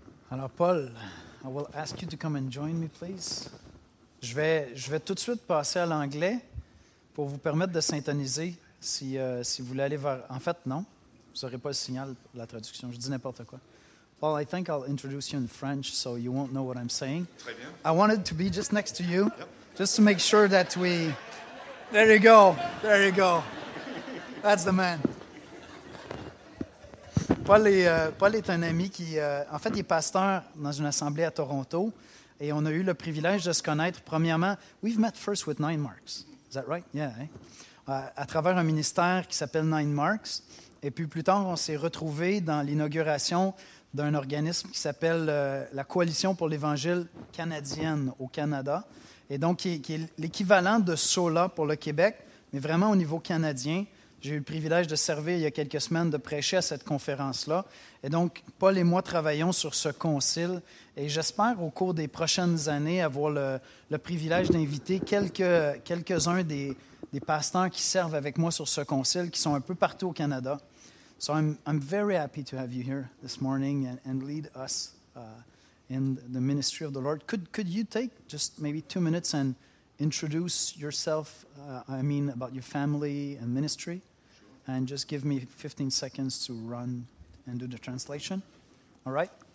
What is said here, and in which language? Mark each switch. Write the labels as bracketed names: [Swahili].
[English] Alors, Paul, I will ask you to come and join me, please. [French] Je vais tout de suite passer à l'anglais pour vous permettre de synchroniser si vous voulez aller vers... En fait, non, vous n'aurez pas le signal, la traduction. Je dis n'importe quoi. [English] Paul, I think I'll introduce you in French, so you won't know what I'm saying. [French] Très bien. [English] I wanted to be just next to you, just to make sure that we... There you go. That's the man. [French] Paul est un ami qui, en fait, il est pasteur dans une assemblée à Toronto, et on a eu le privilège de se connaître, premièrement, [English] we've met first with Nine Marks, is that right? Yeah, eh? [French] À travers un ministère qui s'appelle Nine Marks, et puis plus tard, on s'est retrouvés dans l'inauguration d'un organisme qui s'appelle la Coalition pour l'Évangile canadienne au Canada, et donc qui est l'équivalent de SOLA pour le Québec, mais vraiment au niveau canadien. J'ai eu le privilège de servir il y a quelques semaines, de prêcher à cette conférence-là. Et donc, Paul et moi travaillons sur ce concile. Et j'espère, au cours des prochaines années, avoir le privilège d'inviter quelques-uns des, des pasteurs qui servent avec moi sur ce concile, qui sont un peu partout au Canada. [English] So I'm very happy to have you here this morning and lead us in the ministry of the Lord. Could you take just maybe 2 minutes and introduce yourself, about your family and ministry, and just give me 15 seconds to run and do the translation. All right?